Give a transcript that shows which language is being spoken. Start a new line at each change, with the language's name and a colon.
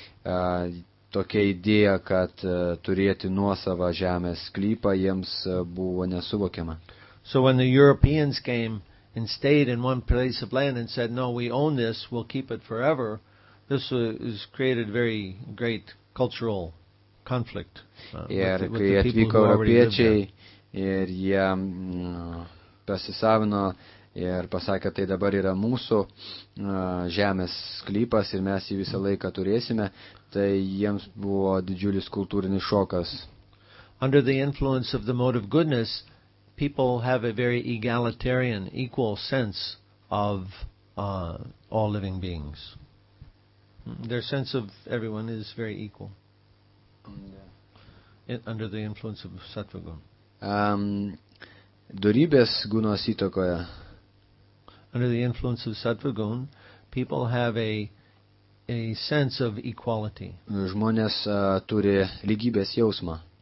Lithuanian: Tokia idėja, kad turėti nuosavą žemės sklypą jiems buvo nesuvokiama.
English: So when the Europeans came and stayed in one place of land and said, no, we own this, we'll keep it forever, this was created very great cultural conflict.
Lithuanian: Ir kai atvyko europiečiai ir jie pasisavino ir pasakė, tai dabar yra mūsų žemės sklypas ir mes jį visą laiką turėsime, tai jiems buvo didžiulis kultūrinis šokas.
English: Under the influence of the mode of goodness, people have a very egalitarian, equal sense of all living beings. Their sense of everyone is very equal. Under the influence of sattva guna.
Lithuanian: Dorybės gunos įtakoje.
English: under the influence of Satvagun, people have a sense of equality.
Lithuanian: Žmonės turi lygybės jausmą.